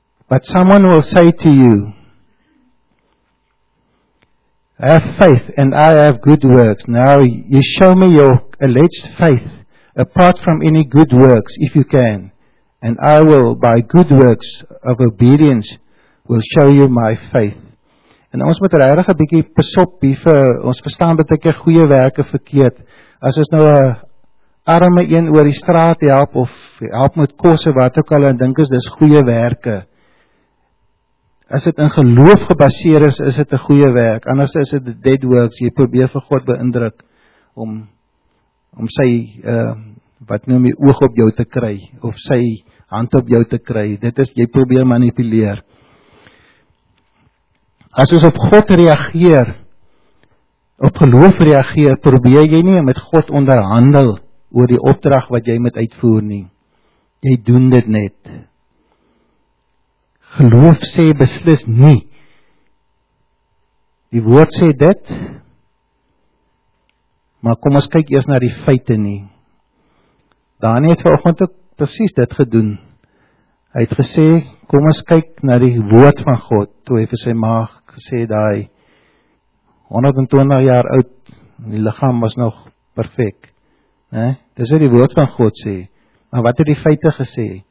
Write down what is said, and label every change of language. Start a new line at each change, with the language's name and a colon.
English: But someone will say to you, I have faith and I have good works. Now you show me your alleged faith apart from any good works if you can. And I will, by good works of obedience, will show you my faith.
Afrikaans: En ons moet regtig 'n bietjie pasop hier vir, ons verstaan dat ek 'n goeie werke verkeerd. As ons nou 'n arme een oor die straat help of help met kos of wat ook al en dink is dis goeie werke. As dit in geloof gebaseer is, is dit 'n goeie werk. Anders is dit
English: dead works.
Afrikaans: Jy probeer vir God beïndruk om sy wat noem jy oog op jou te kry of sy hand op jou te kry. Dit is jy probeer manipuleer. As ons op God reageer, op geloof reageer, probeer jy nie met God onderhandel oor die opdrag wat jy moet uitvoer nie. Jy doen dit net. Geloof sê beslis nie. Die woord sê dit, maar kom ons kyk eers na die feite nie. Daniël het vanoggend presies dit gedoen. Hy het gesê, kom ons kyk na die woord van God, toe hy vir sy ma gesê, dat hy 120 jaar oud, en die lichaam was nog perfek. Dis wat die woord van God sê. Maar wat het die feite gesê?